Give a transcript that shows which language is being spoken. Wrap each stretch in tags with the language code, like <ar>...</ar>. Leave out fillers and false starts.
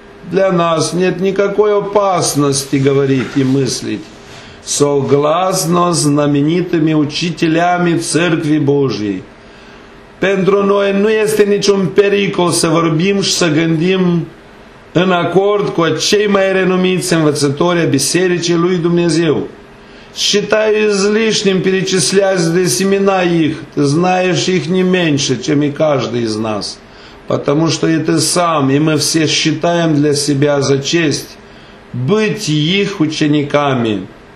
<ru>Для нас нет никакой опасности говорить и мыслить согласно знаменитыми учителями Церкви Божией.</ru> <ro>Pentru noi nu este niciun pericol să vorbim și să gândim în acord cu cei mai renumiți învățători ai Bisericii lui Dumnezeu.</ro> <ru>Считаю излишним перечислять здесь имена их, ты знаешь их не меньше, чем и каждый из нас, потому что и ты сам, и мы все считаем для себя за честь быть их учениками.</ru>